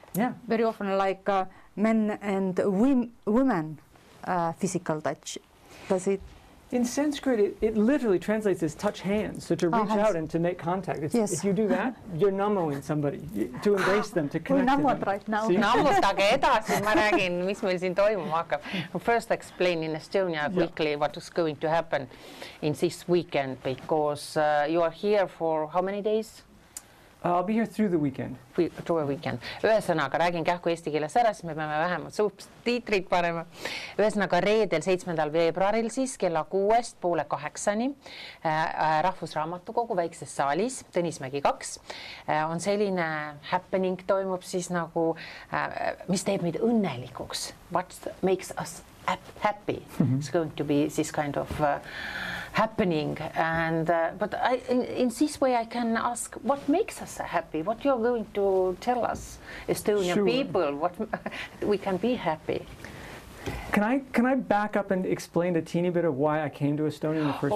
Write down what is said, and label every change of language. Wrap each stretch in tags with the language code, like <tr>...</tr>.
<en>yeah. very often like men and women physical touch. Does it? In Sanskrit, it literally translates as touch hands, so to reach hands. Out and to make contact. It's, yes. If you do that, you're namoing somebody, to embrace them, to connect to them. Right now.</en> <et>Namostage edasi, ma räägin, mis meil siin toimuma hakkab.</et> <en>First explain in Estonia quickly yeah. what is going to happen in this weekend, because you are here for how many days? I'll be here through the weekend. Through the weekend.</en> <et>Ühesõnaga, räägin kähku eesti keeles ära, siis me peame vähemalt subtiitrid panema. Ühesõnaga, reedel 7. veebruaril siis kella 6:30 Rahvusraamatukogu väikses saalis, Tõnismägi 2, on selline happening toimub siis nagu, mis teeb meid õnnelikuks.</et> <en>What makes us happy? Mm-hmm. It's going to be this kind of... happening and but I in this way I can ask what makes us happy, what you're going to tell us Estonian sure. people, what we can be happy. Can I back up and explain a teeny bit of why I came to Estonia in the first</en>